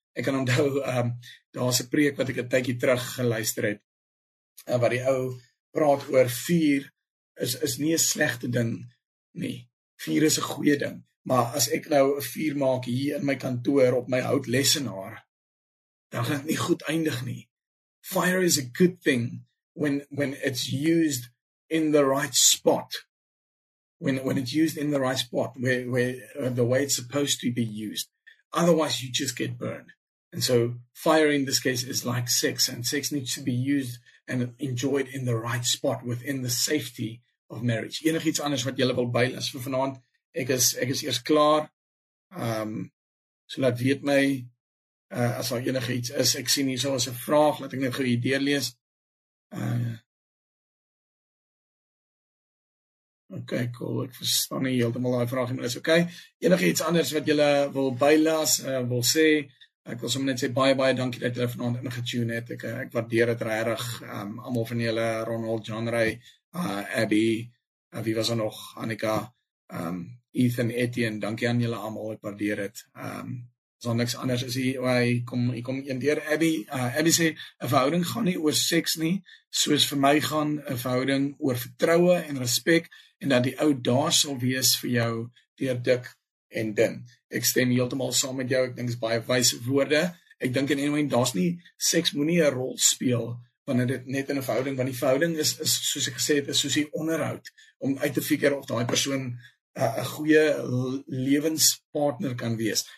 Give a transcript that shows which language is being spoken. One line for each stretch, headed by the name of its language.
Afrikaans: Ek kan onthou, daar's 'n preek wat ek 'n tydjie terug geluister het, wat die ou praat oor vuur is nie 'n slegte ding nie. Vuur is 'n goeie ding, maar as ek nou 'n vuur maak hier in my kantoor op my houtlessenaar, dan gaan dit nie goed eindig nie.
English: Fire is a good thing when it's used in the right spot. When it's used in the right spot, where the way it's supposed to be used. Otherwise, you just get burned. And so fire in this case is like sex, and sex needs to be used and enjoyed in the right spot within the safety of marriage.
Afrikaans: Enigiets anders wat jy wil bylas vir vanaand, ek is eers klaar. So laat weet my as daar enige iets is. Ek sien hierso as 'n vraag, laat ek net gou hier deurlees. Okay, cool. Ek verstaan nie heeltemal daai vraag nie. Is okay. Enige iets anders wat julle wil bylas, wil sê, ek wil sommer net sê baie baie dankie dat julle vanaand ingetune het. Ek waardeer dit regtig. Almal van julle, Ronald, John Ray, Abby, wie was er nog, Annika, Ethan, Etienne, dankie aan julle almal. Ek waardeer dit. Sal niks anders is hy kom een deur Abby. Abby sê 'n verhouding gaan nie oor seks nie, soos vir my gaan 'n verhouding oor vertroue en respek en dat die ou daar sal wees vir jou deur dik en dun. Ek stem heeltemal saam met jou. Ek dink dit is baie wyse woorde. Ek dink in en anyway, daar's nie seks moenie 'n rol speel wanneer dit net in 'n verhouding, want die verhouding is soos ek gesê het, is soos 'n onderhoud om uit te figure of daai persoon 'n goeie lewenspartner kan wees.